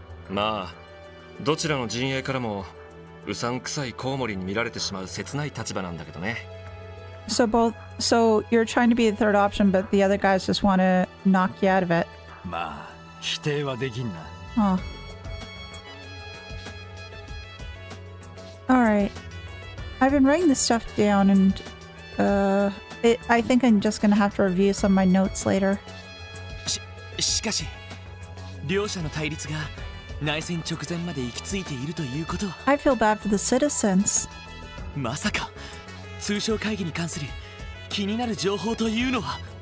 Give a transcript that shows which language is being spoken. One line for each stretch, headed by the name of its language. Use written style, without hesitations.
Japanese: まあ、どちらの陣営からも
English: So you're trying to be the third option, but the other guys just want to knock you out of it. Alright. I've been writing this stuff down, and I think I'm just going to have to review some of my notes later.
Japanese: しかし、両者の対立が 内戦直前まで行き着いているということ
English: I feel bad for the citizens.
Japanese: まさか通商会議に関する気になる情報というのは